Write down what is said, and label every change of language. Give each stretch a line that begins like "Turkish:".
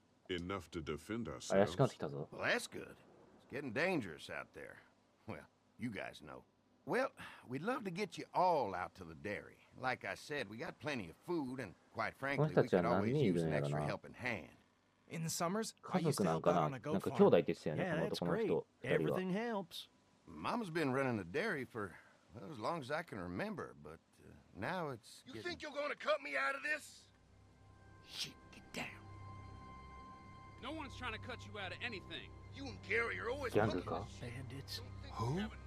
English: Enough to defend ourselves.
Japanese: 怪しくなってきたぞ。
English: Well, that's good. It's getting dangerous out there. Well, you guys know. Well, we'd love to get you all out to the dairy. Like I said, we got plenty of food, and quite frankly, we could always use an extra helping hand. In the summers,
Japanese: 家族なんかな。なんか兄弟って言ってたよね、この男の人。
English: Yeah, that's great. Everything helps. Mama's been running the dairy for, well, as long as I can remember, but now it's getting... You think you're going to cut me out of this? No one's trying to cut you out of anything. You and Gary are always looking at bandits. Who?